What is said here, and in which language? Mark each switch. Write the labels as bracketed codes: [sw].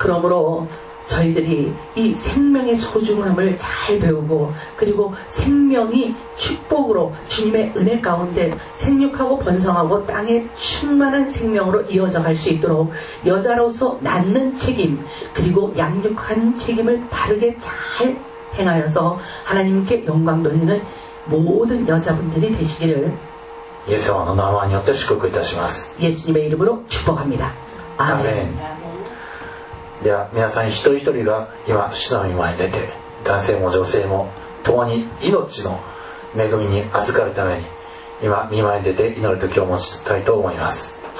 [ko] 그러므로저희들이이생명의소중함을잘배우고그리고생명이축복으로주님의은혜가운데생육하고번성하고땅에충만한생명으로이어져갈수있도록여자로서낳는책임그리고양육한책임을바르게잘행하여서하나님께영광돌리는모든여자분들이되시기를 예수와나와 [ja] によって祝福いたします。 [ko] 예수님의이름으로축복합니다아멘 [ja] では皆さん一人一人が今主の御前に出て男性も女性も共に命の恵みに預かるために今御前に出て祈る時を持ちたいと思います。